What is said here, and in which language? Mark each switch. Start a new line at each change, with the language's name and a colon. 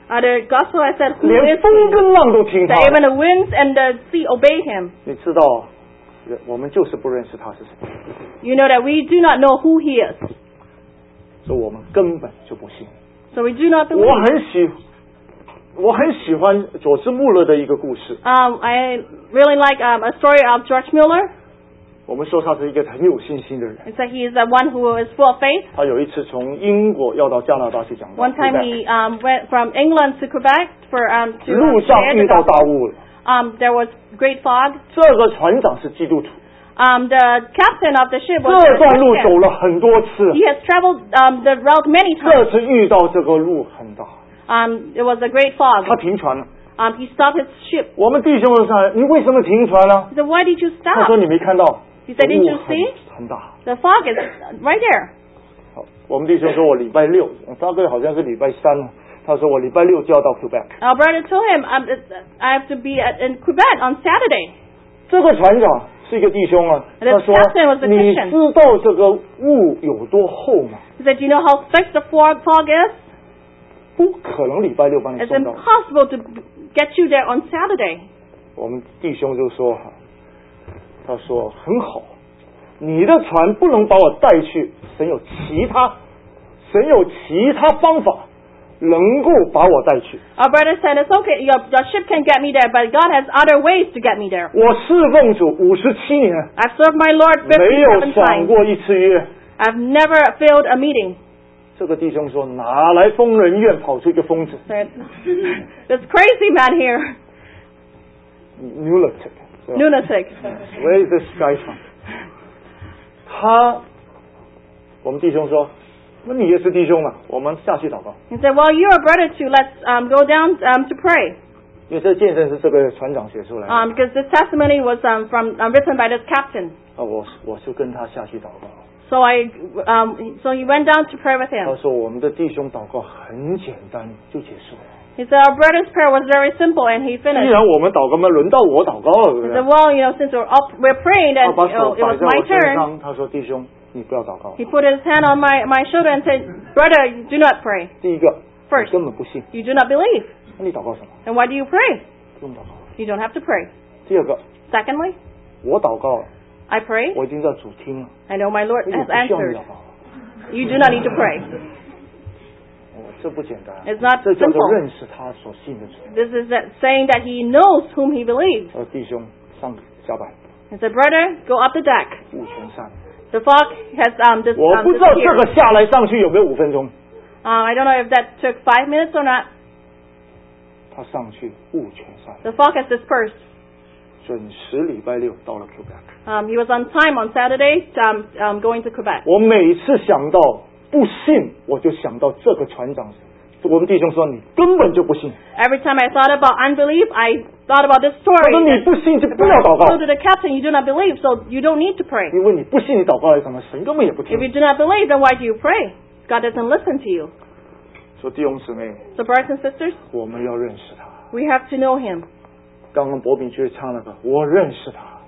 English: The gospel has said, "Who is?"
Chinese: 连风跟浪都听他。
English: That even the winds and the sea obey him.
Chinese: 你知道，我们就是不认识他是谁。
English: You know that we do not know who he is.
Chinese: 所以我们根本就不信。
English: So we do not believe.
Chinese: 我很喜欢佐治穆勒的一个故事。
English: I really like a story of George Mueller.
Chinese: 我们说他是一个很有信心的人。
English: So he is the one who is full of faith.
Chinese: 他有一次从英国要到加拿大去讲道。
English: One time he went from England to Quebec for to.
Chinese: 路上遇到大雾了。
English: There was great fog.
Chinese: 这个船长是基督徒。
English: The captain of the ship was.
Chinese: 这段路走了很多次。
English: He has traveled the route many times.
Chinese: 这次遇到这个路很大。
English: It was a great fog.
Chinese: 他停船了。
English: He stopped his ship.
Chinese: 我们弟兄们说，你为什么停船呢？
English: So why did you stop?
Chinese: 他说你没看到。
English: He said, "Didn't you see?"
Chinese: 很大。
English: The fog is right there.
Chinese: 好，我们弟兄说，我礼拜六，大哥好像是礼拜三，他说我礼拜六就要到 Quebec.
English: Our brother told him, "I have to be in Quebec on Saturday."
Chinese: 这个船长是一个弟兄啊，他说，你知道这个雾有多厚吗？
English: He said, "Do you know how thick the fog is?"
Chinese: 不可能礼拜六帮你送到。
English: It's impossible to get you there on Saturday.
Chinese: 我们弟兄就说。他说很好，你的船不能把我带去，神有其他方法能够把我带去。
English: Our brother said it's okay, your ship can get me there, but God has other ways to get me there.
Chinese: 我侍奉主五十七年
English: ，I've served my Lord 57 times.
Chinese: 没有闯过一次约
English: ，I've never failed a meeting.
Chinese: 这个弟兄说，哪来疯人院跑出一个疯子
English: ？This crazy man here. Lunatic. Lunatic. Where is this guy from?
Chinese: 他，我们弟兄说，那你也是弟兄嘛，我们下去祷告。
English: He said, "Well, you're a brother too. Let's go down to pray."
Chinese: 因为这见证是这个船长写出来的。
English: Because the testimony was written by this captain.
Chinese: 我就跟他下去祷告。
English: So he went down to pray with him.
Chinese: 他说我们的弟兄祷告很简单，就结束了。
English: He said, "Our brother's prayer was very simple, and he finished."
Chinese: 既然我们祷告嘛，轮到我祷告了，对不对？
English: He said, "Well, you know, since we're praying, and it was my turn."
Chinese: 他说：“弟兄，你不要祷告。”
English: He put his hand on my shoulder and said, "Brother, do not pray."
Chinese: 第一个
English: ，first，
Chinese: 根本不信。
English: You do not believe.
Chinese: 那你祷告什么？
English: And why do you pray?
Chinese: 不用祷告。
English: You don't have to pray.
Chinese: 第二个
English: ，secondly，
Chinese: 我祷告了。
English: I pray.
Chinese: 我已经在主听了。
English: I know my Lord has answered.
Chinese: 你不需要祷告。
English: You do not need to pray.
Chinese: 这不简单，
English: It's not
Chinese: 这叫做认识他所信的主。
English: This is saying that he knows whom he believes.
Chinese: 弟兄上下板。
English: He said, "Brother, go up the deck."
Chinese: 雾全散。
English: The fog has disappeared.
Chinese: 我不知道这个下来上去有没有五分钟。
English: I don't know if that took 5 minutes or not.
Chinese: 他上去雾全散。
English: The fog has dispersed.
Chinese: 准时礼拜六到了 Quebec.
English: He was on time on Saturday, going to Quebec.
Chinese: 我每次想到。不信，我就想到这个船长。我们弟兄说，你根本就不信。
English: Every time I thought about unbelief, I thought about this story.
Chinese: 他说你不信就不要祷告。
English: So to the captain, you do not believe, so you don't need to pray.
Chinese: 因为你不信，你祷告来什么？神根本也不听。
English: If you do not believe, then why do you pray? God doesn't listen to you.
Chinese: 说弟兄姊妹。
English: So brothers and sisters.
Chinese: 我们要认识他。
English: We have to know him.
Chinese: 刚刚博饼去唱了个，我认识他。